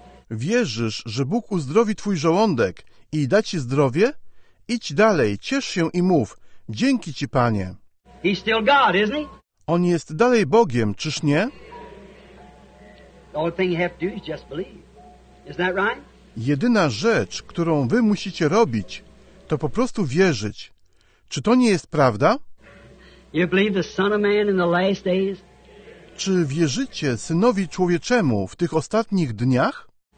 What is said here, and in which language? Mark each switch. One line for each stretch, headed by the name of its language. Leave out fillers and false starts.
Polish: Wierzysz, że Bóg uzdrowi twój żołądek i da ci zdrowie? Idź dalej, ciesz się i mów, dzięki ci, Panie.
English: He's still God, isn't he?
Polish: On jest dalej Bogiem, czyż nie?
English: The only thing you have to do is just believe. Isn't that right?
Polish: Jedyna rzecz, którą wy musicie robić, to po prostu wierzyć. Czy to nie jest prawda?
English: You believe the Son of Man in the last days?
Polish: Czy wierzycie Synowi Człowieczemu w tych ostatnich dniach?